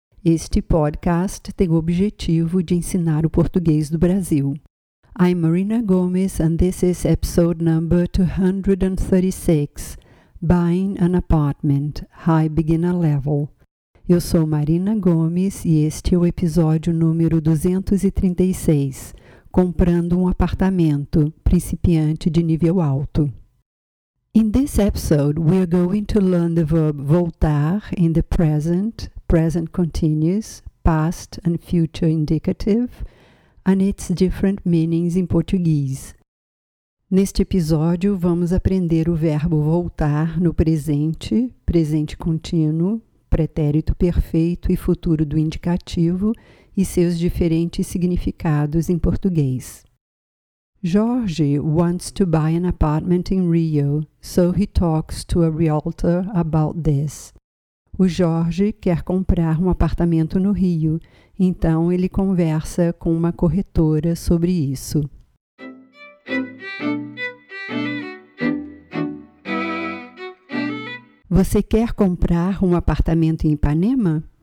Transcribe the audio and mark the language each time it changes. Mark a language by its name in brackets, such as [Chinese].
[Portuguese] Este podcast tem o objetivo de ensinar o português do Brasil. [English] I'm Marina Gomes and this is episode number 236, Buying an Apartment, High Beginner Level. [Portuguese] Eu sou Marina Gomes e este é o episódio número 236, Comprando um Apartamento, Principiante de Nível Alto. [English] In this episode, we are going to learn the verb voltar in the present, present continuous, past and future indicative, and its different meanings in Portuguese. [Portuguese] Neste episódio, vamos aprender o verbo voltar no presente, presente contínuo, pretérito perfeito e futuro do indicativo e seus diferentes significados em português. [English] Jorge wants to buy an apartment in Rio, so he talks to a realtor about this. [Portuguese] O Jorge quer comprar um apartamento no Rio, então ele conversa com uma corretora sobre isso. Você quer comprar um apartamento em Ipanema?